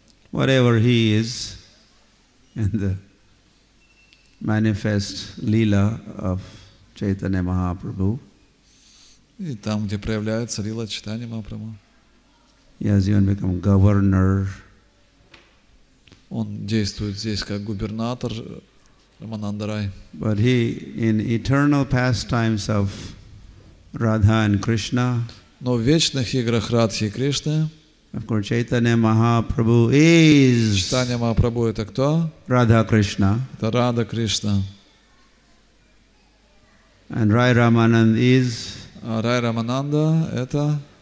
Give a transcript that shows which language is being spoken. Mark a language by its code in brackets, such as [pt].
[en] Whatever he is, in the manifest lila of Chaitanya Mahaprabhu. [ru] И там, где проявляется лила Чайтанья Махапрабху. [en] He has even become governor. [ru] Он действует здесь как губернатор Рамананда Рай. [en] But he in eternal pastimes of Radha and Krishna. [ru] Но в вечных играх Радхи и Кришны. [en] Of course, Chaitanya Mahaprabhu is. [ru] Chaitanya Mahaprabhu это кто? [en] Radha Krishna. [ru] Это Radha Krishna. [en] And Rai Ramanand is. [ru] Rai Ramananda это.